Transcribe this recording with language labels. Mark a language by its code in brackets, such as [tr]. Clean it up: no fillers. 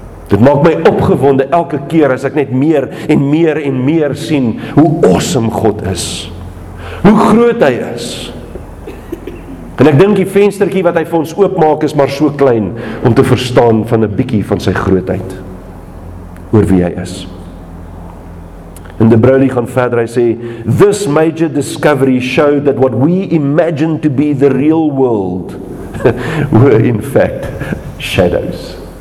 [af] Dit maak my opgewonde elke keer as ek net meer en meer en meer sien hoe awesome God is. Hoe groot hy is. En ek dink die venstertjie wat hy vir ons oopmaak is maar so klein om te verstaan van 'n bietjie van sy grootheid oor wie hy is. En De Broglie gaan verder, hy sê, [en] "This major discovery showed that what we imagine to be the real world were in fact shadows."